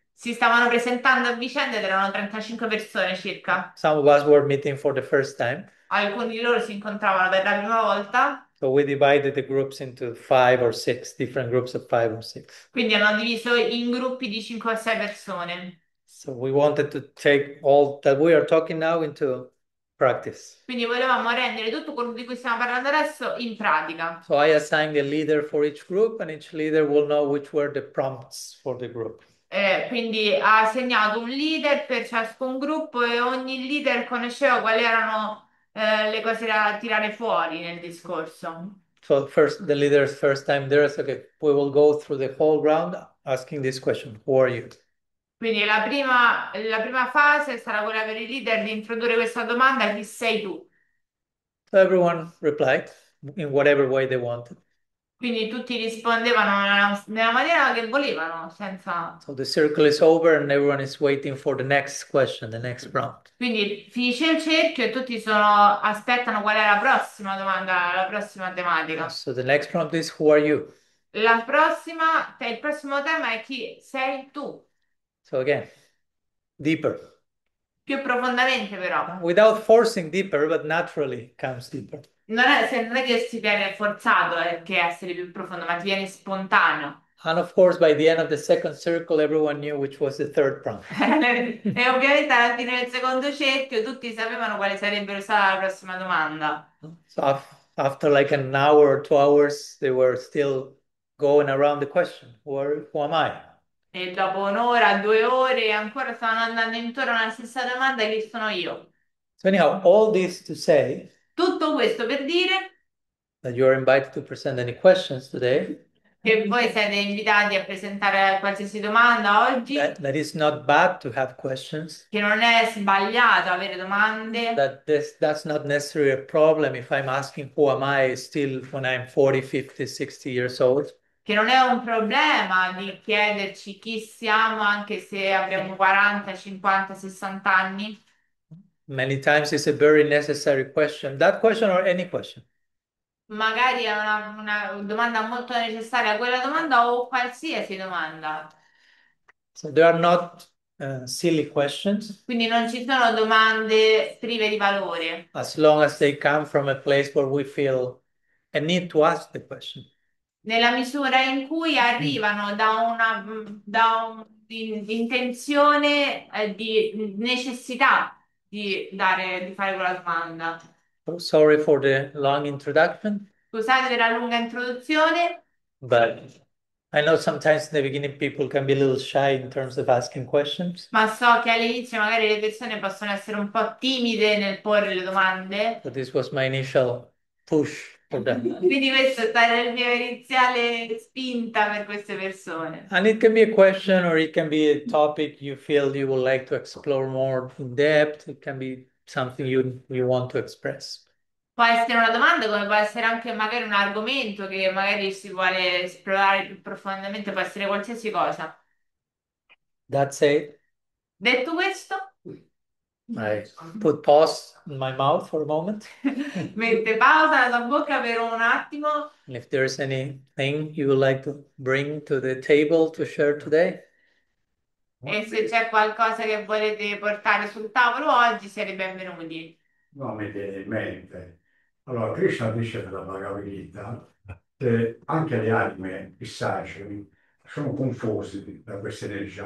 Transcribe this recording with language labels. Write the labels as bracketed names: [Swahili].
[Italian] si stavano presentando a vicenda ed erano 35 persone circa. [English] Some of us were meeting for the first time. [Italian] Alcuni di loro si incontravano per la prima volta. [English] So we divided the groups into five or six, different groups of five or six. [Italian] Quindi hanno diviso in gruppi di 5 o 6 persone. [English] So we wanted to take all that we are talking now into practice. [Italian] Quindi volevamo rendere tutto quello di cui stiamo parlando adesso in pratica. [English] So I assigned a leader for each group, and each leader will know which were the prompts for the group. [Italian] Quindi ha assegnato un leader per ciascun gruppo e ogni leader conosceva quali erano, le cose da tirare fuori nel discorso. [English] So first, the leader's first time there, so okay, we will go through the whole round asking this question. Who are you? [Italian] Quindi la prima fase sarà quella per i leader di introdurre questa domanda, chi sei tu? [English] So everyone replied in whatever way they wanted. [Italian] Quindi tutti rispondevano nella maniera che volevano, senza. [English] So the circle is over and everyone is waiting for the next question, the next prompt. [Italian] Quindi finisce il cerchio e tutti aspettano qual è la prossima domanda, la prossima tematica. [English] So the next prompt is who are you? [Italian] Il prossimo tema è chi sei tu? [English] So again, deeper. [Italian] Più profondamente però. [English] Without forcing deeper, but naturally comes deeper. [Italian] Non è che si viene forzato che essere più profondo, ma ti viene spontaneo. [English] And of course, by the end of the second circle, everyone knew which was the third [Italian] E [English] prompt. [Italian] ovviamente alla fine del secondo cerchio tutti sapevano quale sarebbe stata la prossima domanda. [English] After like an hour or 2 hours, they were still going around the question, who am I? [Italian] E dopo un'ora, 2 ore, ancora stanno andando intorno alla stessa domanda, chi sono io? [English] So anyhow, all this to say [Italian] Tutto questo per dire [English] that you are invited to present any questions today. [Italian] che voi siete invitati a presentare qualsiasi domanda oggi, [English] That is not bad to have questions. [Italian] che non è sbagliato avere domande. [English] That's not necessarily a problem if I'm asking who am I still when I'm 40, 50, 60 years old. [Italian] Che non è un problema di chiederci chi siamo anche se abbiamo 40, 50, 60 anni. [English] Many times it's a very necessary question. That question or any question. [Italian] Magari è una domanda molto necessaria, quella domanda o qualsiasi domanda. [English] So there are not silly questions. [Italian] Quindi non ci sono domande prive di valore. [English] As long as they come from a place where we feel a need to ask the question. [Italian] Nella misura in cui arrivano da un'intenzione di necessità di fare quella domanda. [English] Oh, sorry for the long introduction, [Italian] Scusate per la lunga introduzione. [English] but I know sometimes in the beginning people can be a little shy in terms of asking questions. [Italian] Ma so che all'inizio magari le persone possono essere un po' timide nel porre le domande. [English] So this was my initial push for them. [Italian] Quindi questa sarà la mia iniziale spinta per queste persone. [English] And it can be a question or it can be a topic you feel you would like to explore more in depth. It can be something you want to express. [Italian] Può essere una domanda, come può essere anche magari un argomento che magari si vuole esplorare più profondamente, può essere qualsiasi cosa. Detto [English] That's it. [Italian] questo, [English] I put pause in my mouth for a moment. [Italian] mette pausa la bocca per un attimo. [English] If there's anything you would like to bring to the table to share today, [Italian] E se c'è qualcosa che volete portare sul tavolo oggi, siete benvenuti. non mi viene in mente. Allora, Krishna dice nella Bhagavad Gita che anche le anime, i saggi, sono confusi da questa energia